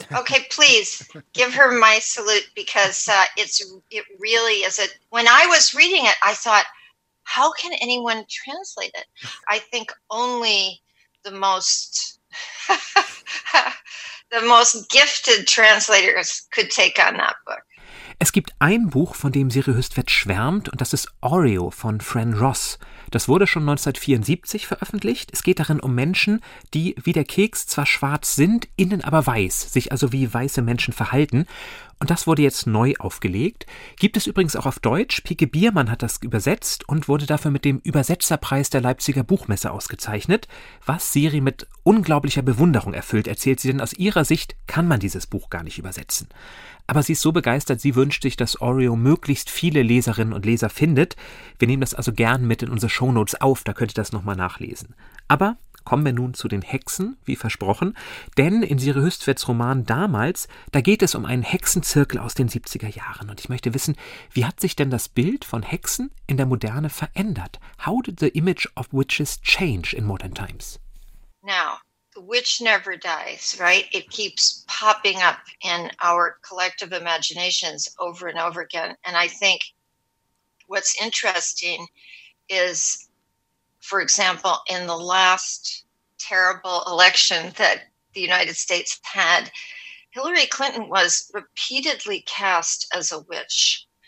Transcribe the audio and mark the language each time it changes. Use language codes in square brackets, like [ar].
[en] Okay, please give her my salute, because it really is a. When I was reading it, I thought, how can anyone translate it? I think only the most gifted translators could take on that book. [de] Es gibt ein Buch, von dem Siri Höstvedt schwärmt, und das ist Oreo von Fran Ross. Das wurde schon 1974 veröffentlicht. Es geht darin um Menschen, die wie der Keks zwar schwarz sind, innen aber weiß, sich also wie weiße Menschen verhalten. Und das wurde jetzt neu aufgelegt. Gibt es übrigens auch auf Deutsch. Pieke Biermann hat das übersetzt und wurde dafür mit dem Übersetzerpreis der Leipziger Buchmesse ausgezeichnet. Was Siri mit unglaublicher Bewunderung erfüllt, erzählt sie, denn aus ihrer Sicht kann man dieses Buch gar nicht übersetzen. Aber sie ist so begeistert, sie wünscht sich, dass Oreo möglichst viele Leserinnen und Leser findet. Wir nehmen das also gern mit in unsere Shownotes auf, da könnt ihr das nochmal nachlesen. Aber kommen wir nun zu den Hexen, wie versprochen. Denn in Siri Höstvedts Roman Damals, da geht es um einen Hexenzirkel aus den 70er Jahren. Und ich möchte wissen, wie hat sich denn das Bild von Hexen in der Moderne verändert? [en] How did the image of witches change in modern times? Now, the witch never dies, right? It keeps popping up in our collective imaginations over and over again. And I think what's interesting is, for example, in the last terrible election that the United States had, Hillary Clinton was repeatedly cast as a witch.